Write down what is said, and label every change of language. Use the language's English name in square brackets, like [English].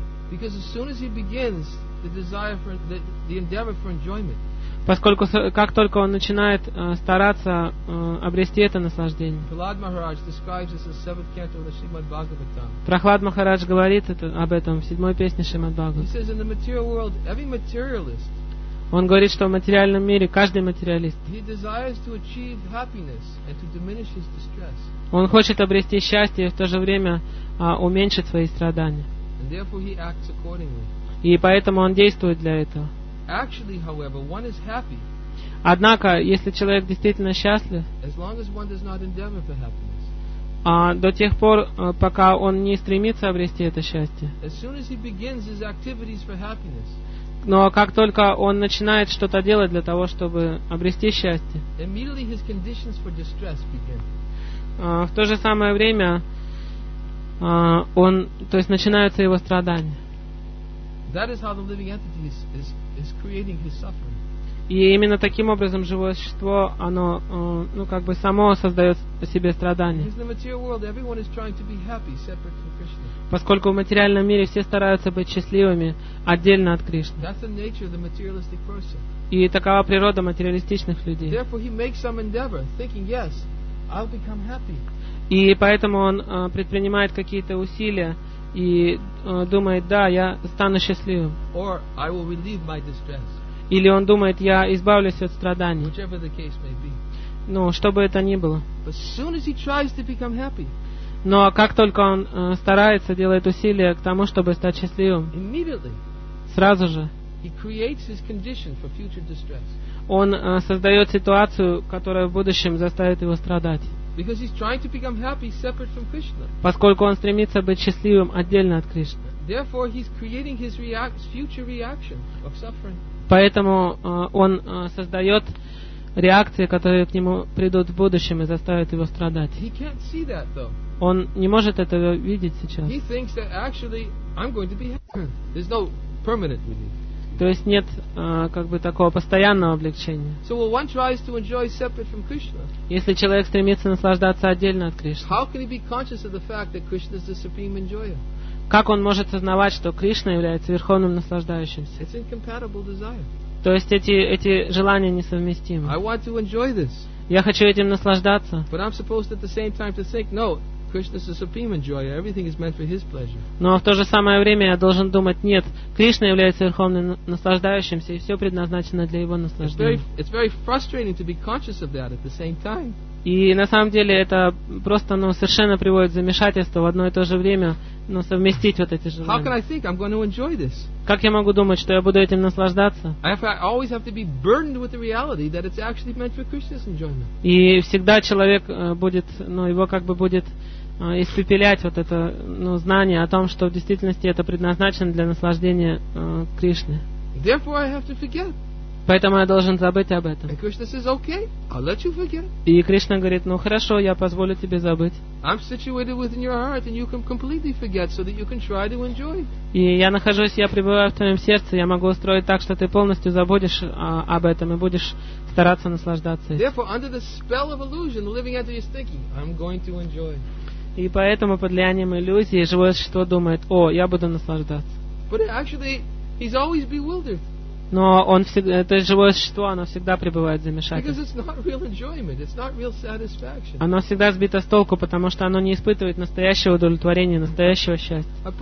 [English] Because as soon as he begins the desire for the endeavor for enjoyment, [Russian] поскольку как только он начинает стараться обрести это наслаждение. [English] Прохлад Махарадж describes this in the 7th canto of the Shrimad Bhagavatam. [Russian] Прохлад Махарадж говорит об этом в 7-й песне Шримад Бхагаватам. [English] He says in the material world, every materialist, [Russian] он говорит, что в материальном мире каждый материалист, [English] he desires to achieve happiness and to diminish his distress. [Russian] Он хочет обрести счастье и в то же время уменьшить свои страдания. [English] And therefore he acts accordingly. [Russian] И поэтому он действует для этого. [English] Actually, however, one is happy. [Russian] Однако, если человек действительно счастлив, [English] as long as one does not endeavor for happiness, [Russian] до тех пор, пока он не стремится обрести это счастье. [English] As soon as he begins his activities for happiness, [Russian] но как только он начинает что-то делать для того, чтобы обрести счастье, [English] immediately his conditions for distress begin. [Russian] В то же самое время то есть начинаются его страдания. [English] That is how the living entity is creating his suffering. [Russian] И именно таким образом живое существо, оно, ну, как бы само создает по себе страдания. [English] Because in the material world, everyone is trying to be happy, separate from Krishna. [Russian] Поскольку в материальном мире все стараются быть счастливыми отдельно от Кришны. [English] That's the nature of the materialistic person. [Russian] И такова природа материалистичных людей. [English] Therefore, he makes some endeavor, thinking, yes, I'll become happy. [Russian] И поэтому он предпринимает какие-то усилия. И думает, да, я стану счастливым. [English] Or I will relieve my distress. [Russian] Или он думает, я избавлюсь от страданий. [English] Whichever the case may be. [Russian] Ну, что бы это ни было. [English] But as soon as he tries to become happy, [Russian] но как только он старается, делает усилия к тому, чтобы стать счастливым, [English] immediately, [Russian] сразу же, [English] he creates his condition for future distress. [Russian] Он создает ситуацию, которая в будущем заставит его страдать. [English] Because he's trying to become happy separate from Krishna. [Russian] Поскольку он стремится быть счастливым отдельно от Кришны. [English] Therefore, he's creating his future reaction of suffering. [Russian] Поэтому он создает реакции, которые к нему придут в будущем и заставят его страдать. [English] He can't see that, though. [Russian] Он не может этого видеть сейчас. [English] He thinks that actually I'm going to be happy. There's no permanent relief. [Russian] То есть нет как бы такого постоянного облегчения. [English] So when one tries to enjoy separate from Krishna, [Russian] если человек стремится наслаждаться отдельно от Кришны, [English] how can he be conscious of the fact that Krishna is the supreme enjoyer? [Russian] Как он может сознавать, что Кришна является верховным наслаждающимся? [English] It's incompatible desire. [Russian] То есть эти желания несовместимы. [English] I want to enjoy this. [Russian] Я хочу этим наслаждаться. [English] But I'm supposed at the same time to think, no. Krishna is the supreme enjoyer. Everything is meant for his pleasure. [Russian] Но в то же самое время я должен думать, нет, Кришна является верховным наслаждающимся, и все предназначено для его наслаждения. [English] It's very frustrating to be conscious of that at the same time. [Russian] И на самом деле это просто, ну, совершенно приводит замешательство в одно и то же время, но совместить вот эти желания. [English] How can I think I'm going to enjoy this? [Russian] Как я могу думать, что я буду этим наслаждаться? [English] I always have to be burdened with the reality that it's actually meant for Krishna's enjoyment. [Russian] И всегда человек будет, ну, его как бы будет испепелять вот это, ну, знание о том, что в действительности это предназначено для наслаждения Кришны. [English] Therefore I have to forget. [Russian] Поэтому я должен забыть об этом. [English] And Krishna says, okay, I'll let you forget. [Russian] И Кришна говорит, ну хорошо, я позволю тебе забыть. [English] I'm situated within your heart, and you can completely forget, so that you can try to enjoy. [Russian] И я нахожусь, я пребываю в твоем сердце, я могу устроить так, что ты полностью забудешь об этом и будешь стараться наслаждаться этим. [English] Therefore, under the spell of illusion, the living entity is thinking, I'm going to enjoy. [Russian] И поэтому под влиянием иллюзии живое существо думает, о, я буду наслаждаться. [English] But actually, he's always bewildered. [Russian] Но он всегда, это живое существо, оно всегда пребывает в замешательстве. Оно всегда сбито с толку, потому что оно не испытывает настоящего удовлетворения, настоящего счастья.